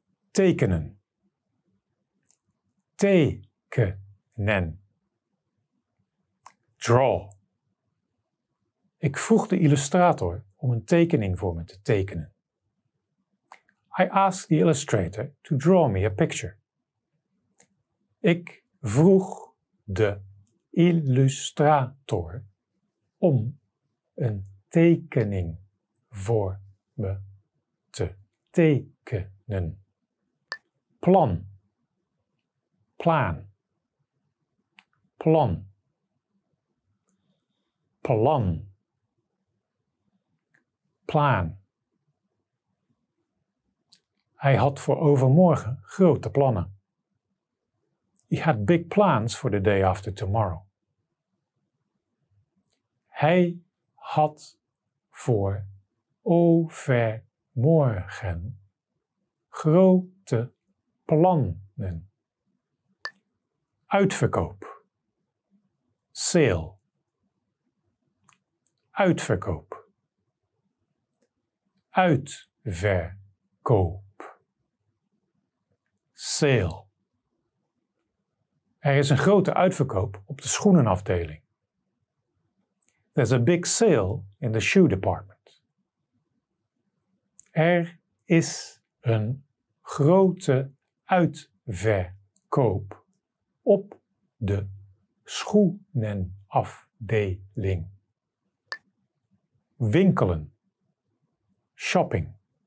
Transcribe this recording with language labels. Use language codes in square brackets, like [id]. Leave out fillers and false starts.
[nl] Tekenen. Tekenen. [en] Draw. [nl] Ik vroeg de illustrator om een tekening voor me te tekenen. [en] I asked the illustrator to draw me a picture. [nl] Ik vroeg de illustrator om een tekening voor me te tekenen. Plan. Plan. Plan. Plan. Plan. Hij had voor overmorgen grote plannen. [en] He had big plans for the day after tomorrow. [nl] Hij had voor overmorgen grote plannen. Uitverkoop. [en] Sale. [nl] Uitverkoop. Uitverkoop. [en] Sale. [nl] Er is een grote uitverkoop op de schoenenafdeling. [en] There's a big sale in the shoe department. [nl] Er is een grote uitverkoop op de schoenenafdeling. Winkelen. [en] Shopping.